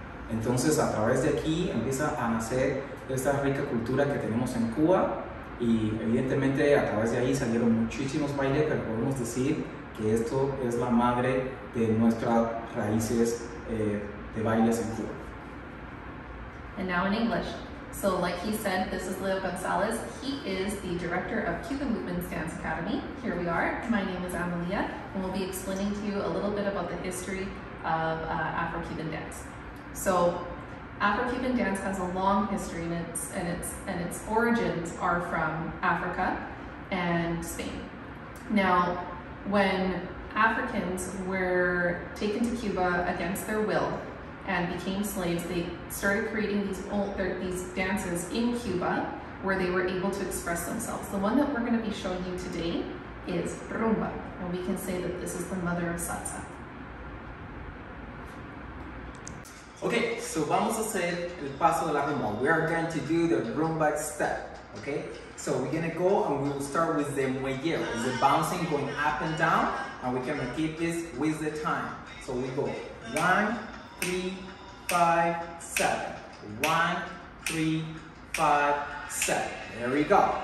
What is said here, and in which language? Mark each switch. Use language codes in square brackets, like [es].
[es] Entonces, a través de aquí empieza a nacer esta rica cultura que tenemos en Cuba y evidentemente a través de ahí salieron muchísimos bailes, pero podemos decir que esto es la madre de nuestras raíces de bailes en Cuba. [en] And now in English. So like he said, this is Leo Gonzalez. He is the director of Cuban Movement's Dance Academy. Here we are. My name is Amalia, and we'll be explaining to you a little bit about the history of Afro-Cuban dance. So Afro-Cuban dance has a long history, and its origins are from Africa and Spain. Now, when Africans were taken to Cuba against their will and became slaves, they started creating these dances in Cuba where they were able to express themselves. The one that we're going to be showing you today is rumba, and we can say that this is the mother of salsa. Okay, so [es] vamos a hacer el paso de la rumba. [en] We are going to do the rumba step, okay? So we're gonna go and we will start with the muelle, the bouncing going up and down, and we can keep this with the time. So we go 1, 3, 5, 7. 1, 3, 5, 7. There we go.